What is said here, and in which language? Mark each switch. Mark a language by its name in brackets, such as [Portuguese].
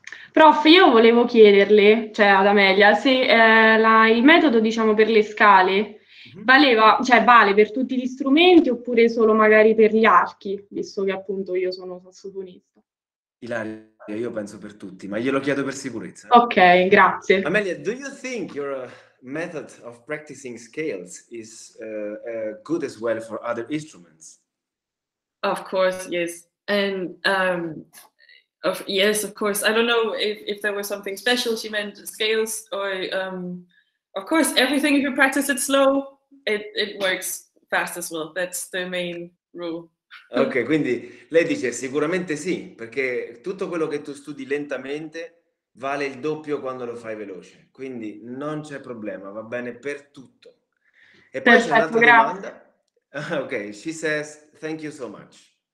[Italian] Prof, io volevo chiederle, cioè ad Amelia, se il metodo, diciamo, per le scale vale per tutti gli strumenti oppure solo magari per gli archi, visto che appunto io sono sassofonista. Ilaria, io penso per tutti, ma glielo chiedo per sicurezza. Ok, grazie. [English] Amelia, do you think your method of practicing scales is good as well for other instruments? Of course, yes. And yes, of course. I don't know if there was something special she meant scales or of course everything if you practice it slow. It works fast as well, that's the main rule. [Italian] Ok, quindi lei dice sicuramente sì, perché tutto quello che tu studi lentamente vale il doppio quando lo fai veloce. Quindi non c'è problema, va bene per tutto. E poi perfetto, c'è un'altra grazie. Domanda. [English] Ok, she says thank you so much.